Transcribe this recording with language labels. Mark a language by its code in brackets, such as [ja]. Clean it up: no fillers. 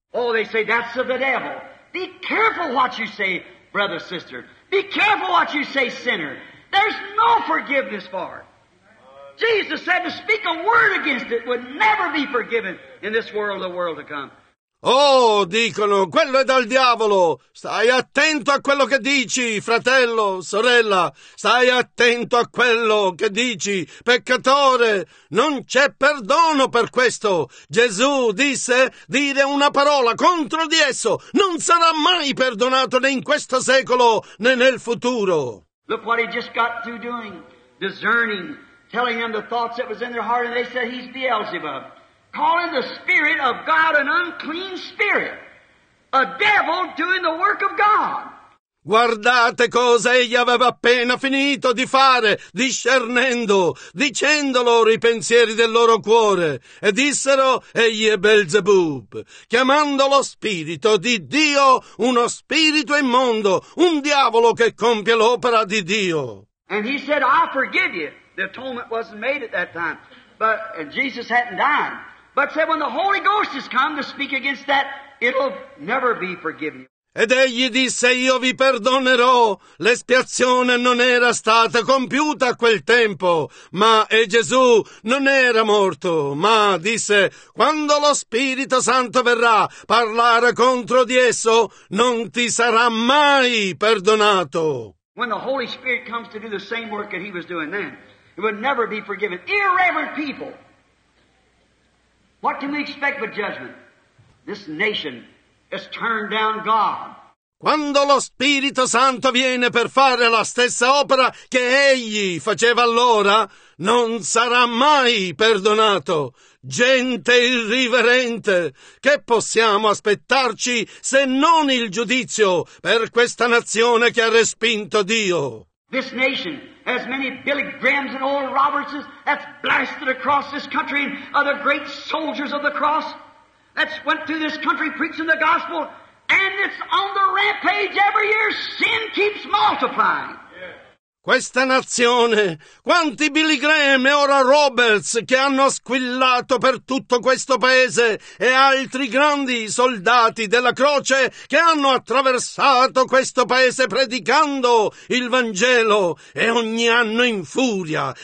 [en] Oh, they say that's of the devil. Be careful what you say, brother, sister. Be careful what you say, sinner. There's no forgiveness for it. Jesus said to speak a word against it would never be forgiven in this world or the world to come. [it] Oh, dicono, quello è dal diavolo. Stai attento a quello che dici, fratello, sorella. Stai attento a quello che dici, peccatore. Non c'è perdono per questo. Gesù disse, dire una parola contro di esso non sarà mai perdonato né in questo secolo né nel futuro. [en] Look what he just got through doing, discerning, telling them the thoughts that was in their heart, and they said he's Beelzebub. Calling the spirit of God an unclean spirit. A devil doing the work of God. [it] Guardate cosa egli aveva appena finito di fare, discernendo, dicendo loro i pensieri del loro cuore. E dissero, egli è Belzebub, chiamando lo spirito di Dio uno spirito immondo, un diavolo che compie l'opera di Dio. [en] And he said, I forgive you. The atonement wasn't made at that time. But Jesus hadn't died. But said, when the Holy Ghost has come to speak against that, it'll never be forgiven. [it] Ed egli disse, io vi perdonerò, l'espiazione non era stata compiuta a quel tempo, ma e Gesù non era morto, ma disse, quando lo Spirito Santo verrà parlare contro di esso, non ti sarà mai perdonato. [en] When the Holy Spirit comes to do the same work that he was doing then, it would never be forgiven. Irreverent people, what can we expect but judgment? This nation has turned down God. [it] Quando lo Spirito Santo viene per fare la stessa opera che egli faceva allora, non sarà mai perdonato. Gente irriverente, che possiamo aspettarci se non il giudizio per questa nazione che ha respinto Dio? [en] This nation has many Billy Grahams and old Robertses that's blasted across this country and other great soldiers of the cross. That went through this country preaching the gospel, and it's on the rampage every year. Sin keeps multiplying. [it] Questa nazione, quanti Billy Graham e ora Roberts che hanno squillato per tutto questo paese e altri grandi soldati della croce che hanno attraversato questo paese predicando il Vangelo e ogni anno in furia.